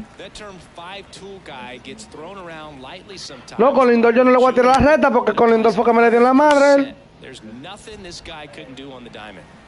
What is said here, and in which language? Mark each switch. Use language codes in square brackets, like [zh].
[en] That term five-tool guy gets thrown around lightly sometimes. [es] No, con Lindor yo no le voy a tirar la reta porque con Lindor fue que me le dio en la madre. [en] There's nothing this guy couldn't do on the diamond.